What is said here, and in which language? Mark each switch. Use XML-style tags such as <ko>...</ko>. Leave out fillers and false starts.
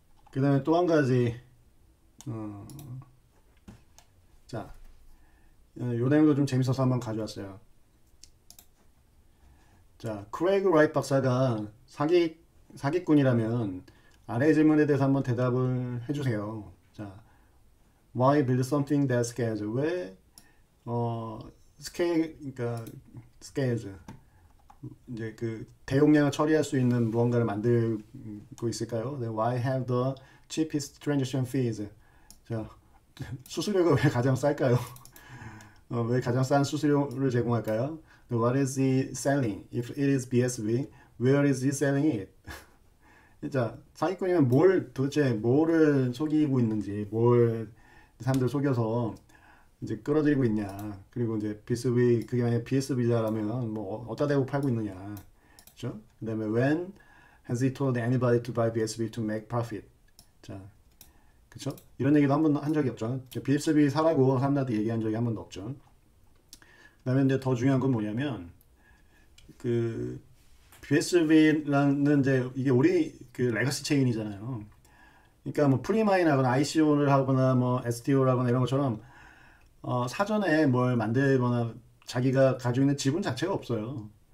<ko>그다음에 또한 가지 자, 요 내용도 좀 재밌어서 한번 가져왔어요. 자, 크레이그 라이트 박사가 사기꾼이라면 아래 질문에 대해서 한번 대답을 해주세요.</ko> <en>자, why build something that scares?</en> <ko>왜 그러니까 scares 이제 그 대용량을 처리할 수 있는 무언가를 만들고 있을까요?</ko> <en>Then why have the cheapest transaction fees? 자, 수수료가 왜 가장 쌀까요? 왜 가장 싼 수수료를 제공할까요? What is he selling? If it is BSV, where is he selling it?</en> <ko>자, 사기꾼이면 뭘 도대체 뭐를 속이고 있는지, 뭘 사람들 속여서 이제 끌어들이고 있냐. 그리고 이제 비수비, 그게 만약에 비수 비자라면 뭐 어디다 대고 팔고 있느냐. 그죠?</ko> <en>그 다음에 when has he told anybody to buy BSB to make profit?</en> <ko>자, 그쵸? 이런 얘기도 한 번도 한 적이 없죠. BSB 사라고 사람들한테 얘기한 적이 한 번도 없죠. 그 다음에 이제 더 중요한 건 뭐냐면, 그 BSB라는 이제 이게 우리 그 레거시 체인이잖아요. 그러니까 뭐 프리마인하거나 ICO를 하거나 뭐 STO라거나 이런 것처럼 사전에 뭘 만들거나 자기가 가지고 있는 지분 자체가 없어요.</ko>